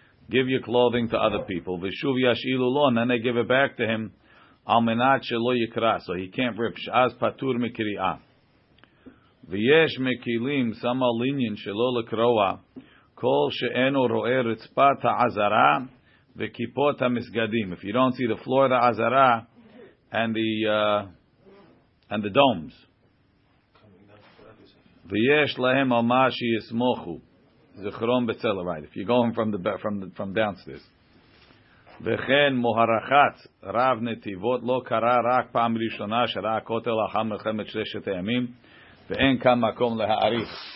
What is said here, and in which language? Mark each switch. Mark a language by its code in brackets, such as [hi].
[en] Give your clothing to other people. [he] ושוב ישאילו לו, [en] and then they give it back to him. [he] על מנת שלא יקרא, [en] so he can't rip, [he] שאז פטור מקריאה. ויש מקילים, [en] some are lenient, [he] שלא לקרוע, כל שאינו רואה רצפת העזרה, וכיפות המסגדים. [en] If you don't see the floor of the עזרה, and the domes. [he] ויש להם על מה שיסמוכו, זכרון בצלע, [en] right, if you're going from downstairs. [he] וכן מוהרחץ רב נתיבות לא קרה רק פעם ראשונה שראה הכותל לאחר מלחמת ששת הימים ואין כאן מקום להאריך.